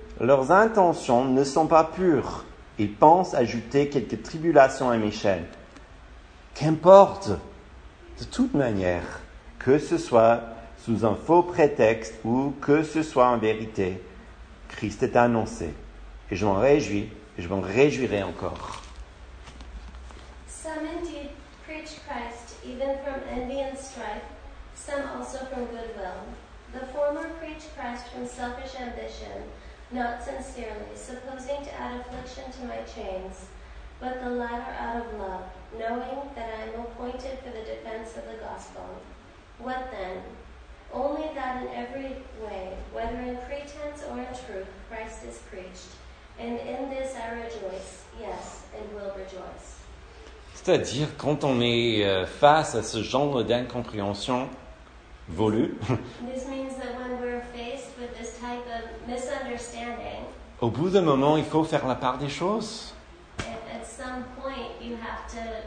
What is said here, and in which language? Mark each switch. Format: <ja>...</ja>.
<fr>Leurs intentions ne sont pas pures. Ils pensent ajouter quelques tribulations à mes chaînes. Qu'importe, de toute manière, que ce soit sous un faux prétexte ou que ce soit en vérité, Christ est annoncé. Et je m'en réjouirai encore.</fr> <en>Some indeed even from envy and strife, some also from goodwill. The former preach Christ from selfish ambition, not sincerely, supposing to add affliction to my chains, but the latter out of love, knowing that I am appointed for the defense of the gospel. What then? Only that in every way, whether in pretense or in truth, Christ is preached. And in this I rejoice, yes, and will rejoice.</en> <fr>C'est-à-dire, quand on est face à ce genre d'incompréhension voulue,</fr> <en>this means that when we're faced with this type of misunderstanding,</en> <fr>au bout d'un moment, il faut faire la part des choses.</fr> <en>At some point, you have to...</en>